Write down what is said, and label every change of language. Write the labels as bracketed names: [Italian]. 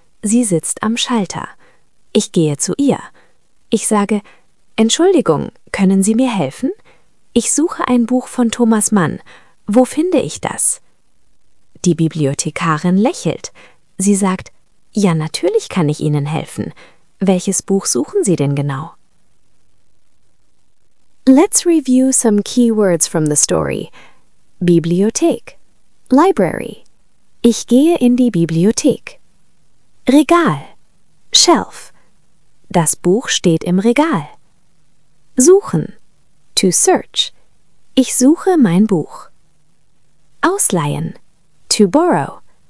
[German] Sie sitzt am Schalter. Ich gehe zu ihr. Ich sage, Entschuldigung, können Sie mir helfen? Ich suche ein Buch von Thomas Mann. Wo finde ich das? Die Bibliothekarin lächelt. Sie sagt, ja, natürlich kann ich Ihnen helfen. Welches Buch suchen Sie denn genau? [English] Let's review some key words from the story. [German] Bibliothek. [English] Library. [German] Ich gehe in die Bibliothek. Regal. [English] Shelf. [German] Das Buch steht im Regal. Suchen. [English] To search. [German] Ich suche mein Buch. Ausleihen. [English] To borrow.